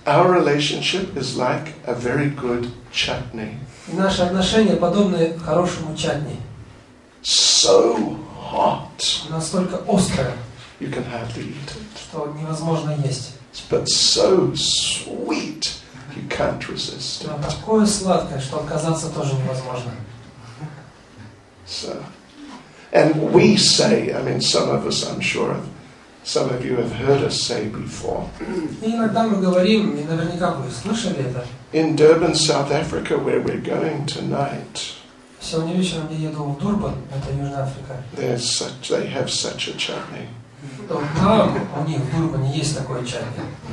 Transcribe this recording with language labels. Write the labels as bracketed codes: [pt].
[en] Our relationship is like a very good chutney. [ru] Наши отношения подобны хорошему чатни. [en] So hot. [ru] Настолько острое. [en] You can hardly eat it. [ru] Что невозможно есть. [en] But so sweet, you can't resist it. [ru] Такое сладкое, что отказаться тоже невозможно. [en] So. And we say, I mean, some of us, I'm sure, some of you have heard us say before. [ru] Иногда мы говорим, и наверняка вы слышали это. [en] In Durban, South Africa, where we're going tonight. [ru] Сегодня вечером я еду в Дурбан, это Южная Африка. [en] They have such a chutney. [ru] Там у них в Дурбане есть такой чатни.